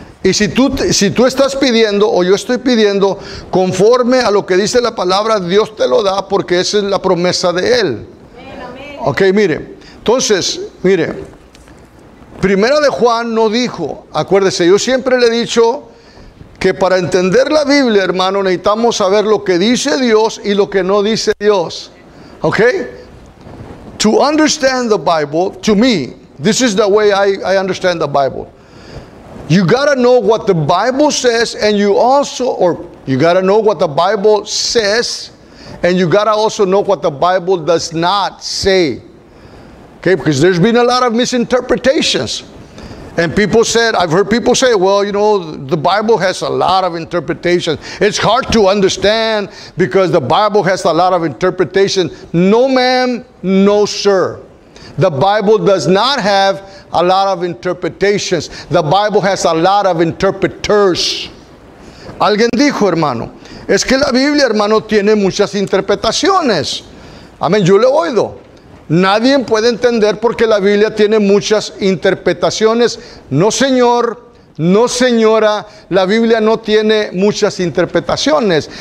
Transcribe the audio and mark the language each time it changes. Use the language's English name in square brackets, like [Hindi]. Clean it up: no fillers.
[Spanish] Y si tú estás pidiendo, o yo estoy pidiendo, conforme a lo que dice la palabra, Dios te lo da porque esa es la promesa de él. Okay, mire. Entonces, mire, Primera de Juan no dijo, acuérdese, yo siempre le he dicho que para entender la Biblia, hermano, necesitamos saber lo que dice Dios y lo que no dice Dios. ¿Ok? [English] To understand the Bible, to me, this is the way I understand the Bible. You gotta know what the Bible says, and you also, or you gotta know what the Bible says, and you gotta also know what the Bible does not say. Okay, because there's been a lot of misinterpretations. And people said, I've heard people say, well, you know, the Bible has a lot of interpretations. It's hard to understand because the Bible has a lot of interpretation. No, ma'am, no, sir. The Bible does not have a lot of interpretations. The Bible has a lot of interpreters. [Spanish] Alguien dijo, hermano, es que la Biblia, hermano, tiene muchas interpretaciones. Amén, yo le oigo. Nadie puede entender porque la Biblia tiene muchas interpretaciones. No, señor, no, señora, la Biblia no tiene muchas interpretaciones.